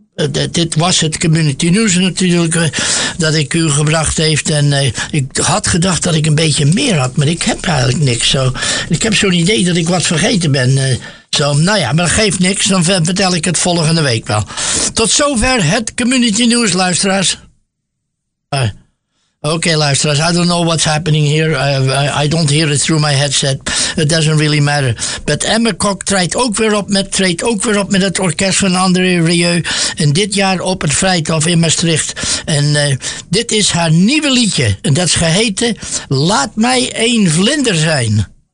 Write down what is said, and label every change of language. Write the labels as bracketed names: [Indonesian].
[Dutch] Dit was het Community News natuurlijk, dat ik u gebracht heeft. En ik had gedacht dat ik een beetje meer had, maar ik heb eigenlijk niks. Zo. Ik heb zo'n idee dat ik wat vergeten ben. Zo. Nou ja, maar dat geeft niks, dan vertel ik het volgende week wel. Tot zover het Community News, luisteraars. [English] Okay, luisteraars, I don't know what's happening here. I don't hear it through my headset. It doesn't really matter. [Dutch] But Emma Kok treedt ook weer op met het orkest van André Rieu. En dit jaar op het Vrijthof in Maastricht. En dit is haar nieuwe liedje. En dat is geheten Laat mij een vlinder zijn.